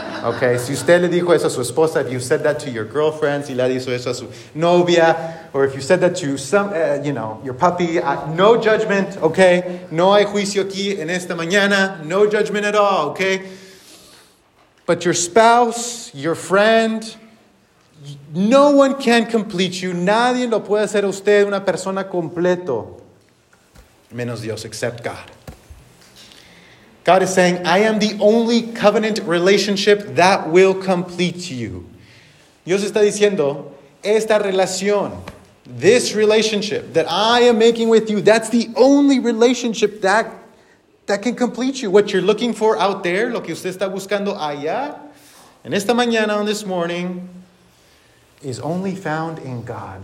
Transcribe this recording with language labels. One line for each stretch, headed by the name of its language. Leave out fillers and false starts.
English: Okay?
Spanish: Si usted le dijo eso a su esposa,
English: if you said that to your girlfriend,
Spanish: si le dijo eso a su novia,
English: or if you said that to some, you know, your puppy, no judgment, okay?
Spanish: No hay juicio aquí en esta mañana.
English: No judgment at all, okay? But your spouse, your friend, no one can complete you.
Spanish: Nadie lo puede hacer usted una persona completo. Menos Dios,
English: except God. God is saying, I am the only covenant relationship that will complete you.
Spanish: Dios está diciendo, esta relación,
English: this relationship that I am making with you, that's the only relationship that can complete you. What you're looking for out there,
Spanish: lo que usted está buscando allá, en esta mañana,
English: on this morning, is only found in God.